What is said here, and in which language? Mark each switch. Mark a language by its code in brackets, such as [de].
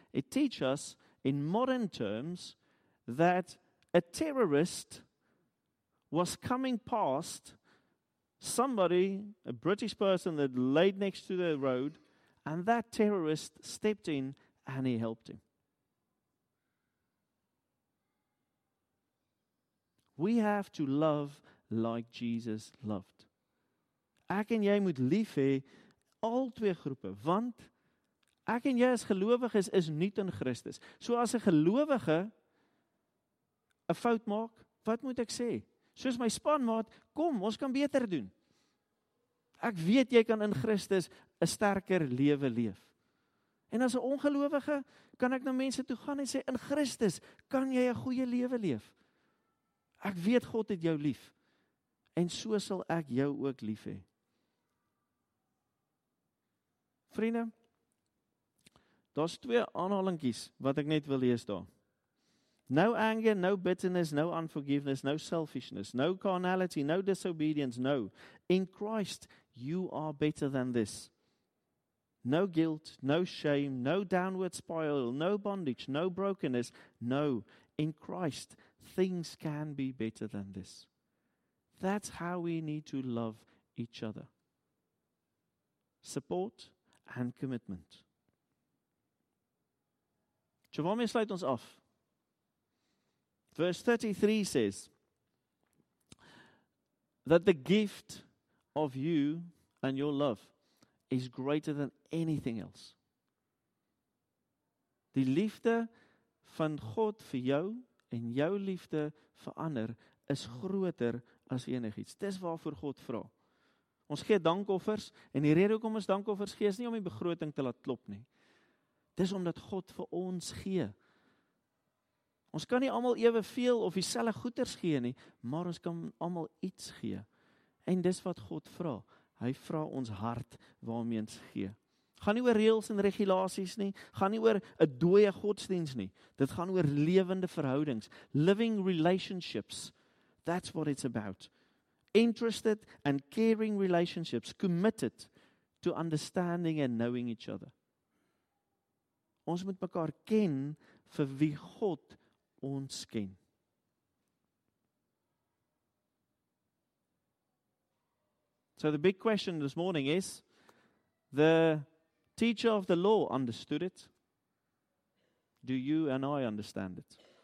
[en] It teaches us in modern terms that a terrorist was coming past somebody, a British person that laid next to the road, and that terrorist stepped in and he helped him. We have to love like Jesus loved. [af] Ek en jy moet lief hê al twee groepe, want ek en jy as gelowiges is nuut in Christus. So as 'n gelowige 'n fout maak, wat moet ek sê? Soos my spanmaat, kom, ons kan beter doen. Ek weet jy kan in Christus 'n sterker lewe leef. En as 'n ongelowige, kan ek na mense toe gaan en sê, in Christus kan jy 'n goeie lewe leef. Ek weet God het jou lief. En so sal ek jou ook lief hê. Vriende, daar's twee aanhalingkies wat ek net wil lees daar. [en] No anger, no bitterness, no unforgiveness, no selfishness, no carnality, no disobedience, no. In Christ, you are better than this. No guilt, no shame, no downward spiral, no bondage, no brokenness, no. In Christ, things can be better than this. That's how we need to love each other. Support and commitment. [af] So waarmee sluit ons af? [en] Verse 33 says that the gift of you and your love is greater than anything else. [af] Die liefde van God vir jou en jou liefde vir ander is groter as enigiets. Dis waarvoor God vra. Ons gee dankoffers en die rede hoekom ons dankoffers gee is nie om die begroting te laat klop nie. Dis omdat God vir ons gee. Ons kan nie almal ewe veel of dieselfde goeders gee nie, maar ons kan almal iets gee. En dis wat God vra. Hy vra ons hart waarmee ons gee. Gaan nie oor reëls en regulasies nie, gaan nie oor 'n dooie godsdiens nie. Dit gaan oor lewende verhoudings, [en] living relationships. That's what it's about. Interested and caring relationships, committed to understanding and knowing each other. [af] Ons moet mekaar ken vir wie God ons ken. [en] So the big question this morning is, the teacher of the law understood it. Do you and I understand it?